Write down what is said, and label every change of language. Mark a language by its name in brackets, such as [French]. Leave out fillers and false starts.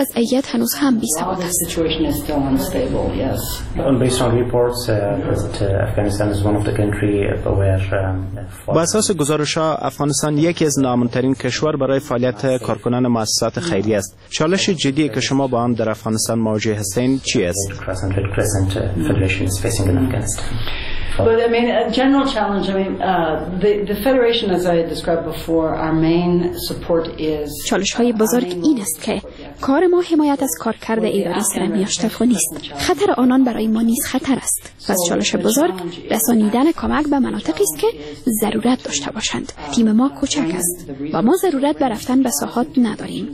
[Persian] وضعیت هنوز هم بی ثبات است. با اساس گزارش‌ها افغانستان یکی از ناامن‌ترین کشور برای فعالیت کارکنان مؤسسات خیریه است. چالش جدی که شما با آن در افغانستان مواجه هستین چی است؟ [English] But I mean, a general challenge. I mean, the federation, as I described before, our main support is. [Persian] چالش‌های بزرگ این است که کار ما حمایت از کارکرد اداری سرمیاشت افغانیست. خطر آنان برای ما نیز خطر است. پس چالش بزرگ رسانیدن کمک به مناطقی است که ضرورت داشته باشند. تیم ما کوچک است و ما ضرورت به رفتن به ساحات نداریم.